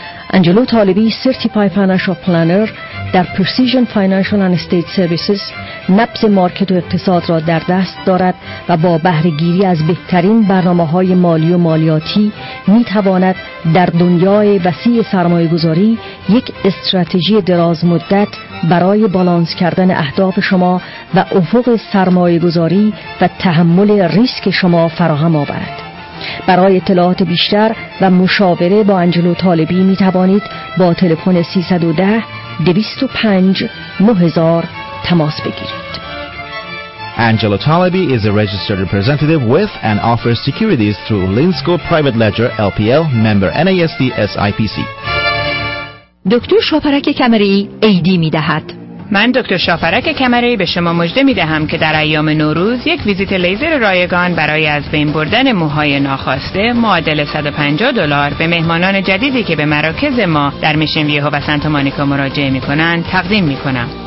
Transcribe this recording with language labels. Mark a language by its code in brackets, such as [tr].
[fa] انجلو طالبی، سرتیفاید فینانشل پلانر در پرسیژن فینانشل اند استیت سرویسز، نبض مارکت و اقتصاد را در دست دارد و با بهره گیری از بهترین برنامه‌های مالی و مالیاتی می تواند در دنیای وسیع سرمایه گذاری یک استراتژی دراز مدت برای بالانس کردن اهداف شما و افق سرمایه گذاری و تحمل ریسک شما فراهم آورد. برای اطلاعات بیشتر و مشاوره با انجلو طالبی می توانید با تلفن 310-205-9000 تماس بگیرید. [en] Angelo Talabi is a registered representative with and offers securities through Linsco Private Ledger LPL member NASD SIPC. [fa] دکتر شاپرک کمری ایدی می دهد. من دکتر شاپرک کمری به شما مژده می دهم که در ایام نوروز یک ویزیت لیزر رایگان برای از بین بردن موهای ناخواسته معادل $150 به مهمانان جدیدی که به مراکز ما در میشن ویهو و سنتا مونیکا مراجعه می کنند تقدیم می کنم.